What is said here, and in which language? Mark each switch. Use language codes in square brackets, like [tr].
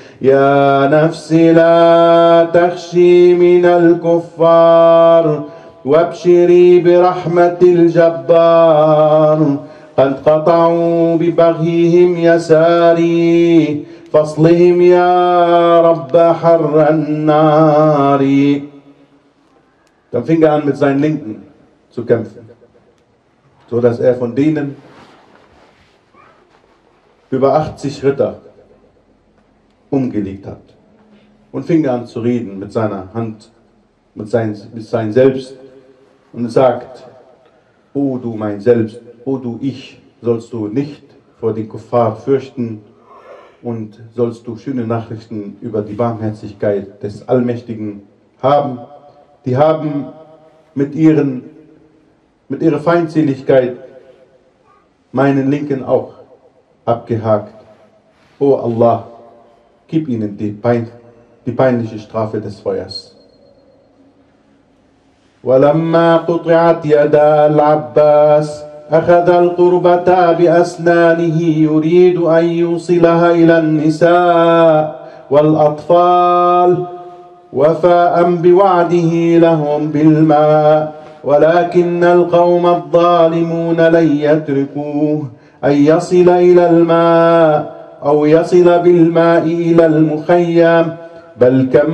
[ar] يا نفسي لا تخشي من الكفار وابشري برحمة الجبار قد قطعوا ببغيهم يساري فاصلهم يا رب حر النار. [de] Dann fing er an mit seinen Linken zu kämpfen, so dass er von denen über 80 Ritter umgelegt hat. Und fing an zu reden mit seiner Hand, mit seinem Selbst und sagt, O du mein Selbst, O du Ich, sollst du nicht vor den Kuffar fürchten und sollst du schöne Nachrichten über die Barmherzigkeit des Allmächtigen haben. Die haben mit ihrer Feindseligkeit meinen Linken auch abgehakt. O Allah, gib ihnen die peinliche Strafe des Feuers. [ar] ولما قطعت يدا العباس أخذ القربة بأسنانه يريد أن يوصلها إلى النساء والأطفال وفاء بوعده لهم بالماء ولكن القوم الظالمون لن يتركوه أن يصل إلى الماء أو يصل بالماء إلى المخيم بل